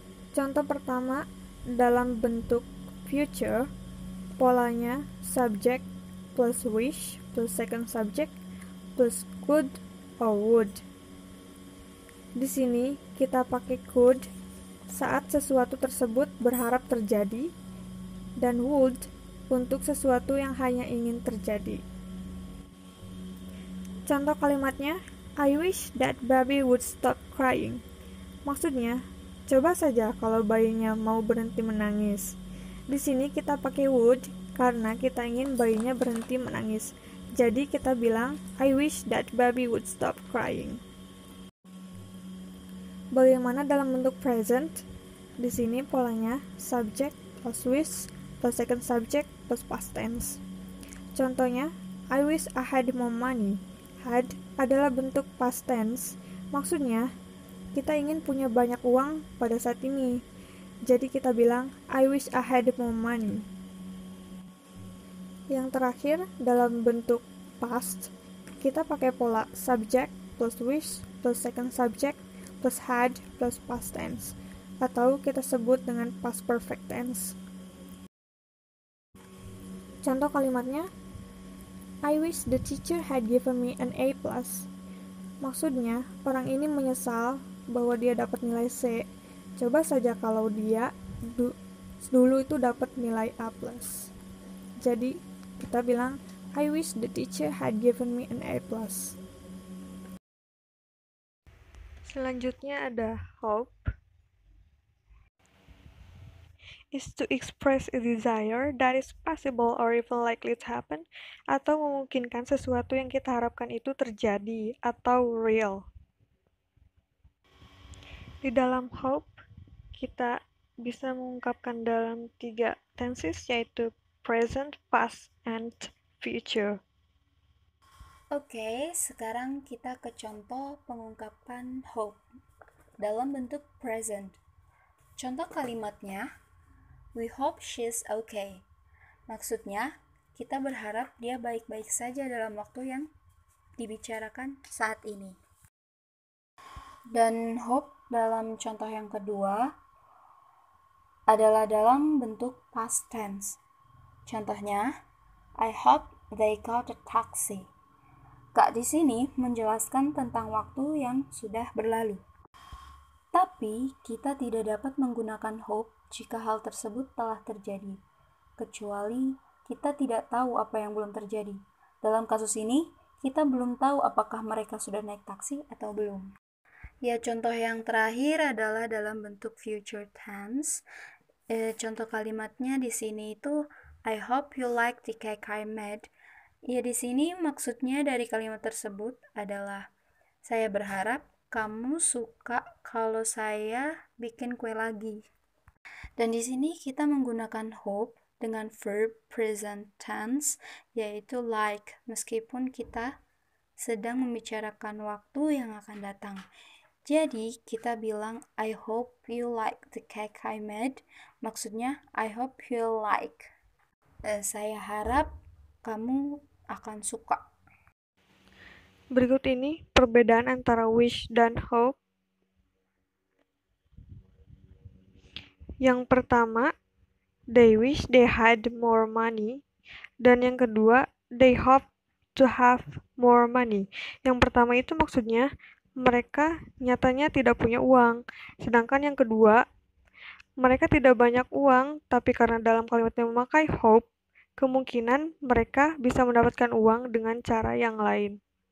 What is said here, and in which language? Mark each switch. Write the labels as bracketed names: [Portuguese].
[Indonesian] Contoh pertama, dalam bentuk [English] future, [Indonesian] polanya [English] subject plus wish plus second subject plus could or would. [Indonesian] Di sini, kita pakai could saat sesuatu tersebut berharap terjadi, dan would untuk sesuatu yang hanya ingin terjadi. Contoh kalimatnya, [English] I wish that baby would stop crying. [Indonesian] Maksudnya, coba saja kalau bayinya mau berhenti menangis. Di sini kita pakai would karena kita ingin bayinya berhenti menangis. Jadi kita bilang, [English] I wish that baby would stop crying. [Indonesian] Bagaimana dalam bentuk [English] present? [Indonesian] Di sini polanya [English] subject plus wish plus second subject plus past tense. Contohnya, I wish I had more money. [Indonesian] Had adalah bentuk past tense. Maksudnya, kita ingin punya banyak uang pada saat ini. Jadi kita bilang, [English] I wish I had more money. [Indonesian] Yang terakhir, dalam bentuk past, kita pakai pola [English] subject plus wish plus second subject plus had plus past tense, [Indonesian] atau kita sebut dengan past perfect tense. Contoh kalimatnya, [English] I wish the teacher had given me an A+. [Indonesian] Maksudnya, orang ini menyesal bahwa dia dapat nilai C. Coba saja kalau dia dulu itu dapat nilai A+. Jadi, kita bilang, [English] I wish the teacher had given me an A+. [Indonesian] Selanjutnya ada hope. [English] Is to express a desire that is possible or even likely to happen, [Indonesian] atau memungkinkan sesuatu yang kita harapkan itu terjadi, [English] atau real. [Indonesian] Di dalam hope, kita bisa mengungkapkan dalam tiga tenses, yaitu present, past, and future. Okay, sekarang kita ke contoh pengungkapan hope dalam bentuk present. Contoh kalimatnya, [English] we hope she's okay. [Indonesian] Maksudnya, kita berharap dia baik-baik saja dalam waktu yang dibicarakan saat ini. Dan hope dalam contoh yang kedua adalah dalam bentuk past tense. [English] Contohnya, I hope they caught a taxi. [Indonesian] Kak di sini menjelaskan tentang waktu yang sudah berlalu. Tapi, kita tidak dapat menggunakan hope jika hal tersebut telah terjadi. Kecuali, kita tidak tahu apa yang belum terjadi. Dalam kasus ini, kita belum tahu apakah mereka sudah naik taksi atau belum. Ya, contoh yang terakhir adalah dalam bentuk future tense. Contoh kalimatnya di sini itu, [English] I hope you like the cake I made. [Indonesian] Ya, di sini maksudnya dari kalimat tersebut adalah, saya berharap kamu suka kalau saya bikin kue lagi. Dan di sini kita menggunakan hope dengan verb present tense, yaitu like, meskipun kita sedang membicarakan waktu yang akan datang. Jadi, kita bilang, [English] I hope you like the cake I made. [Indonesian] Maksudnya, [English] I hope you like. [Indonesian] Saya harap kamu akan suka. Berikut ini perbedaan antara wish dan hope. Yang pertama, [English] they wish they had more money. [Indonesian] Dan yang kedua, [English] they hope to have more money. [Indonesian] Yang pertama itu maksudnya, mereka nyatanya tidak punya uang. Sedangkan yang kedua, mereka tidak banyak uang, tapi karena dalam kalimatnya memakai hope, kemungkinan mereka bisa mendapatkan uang dengan cara yang lain.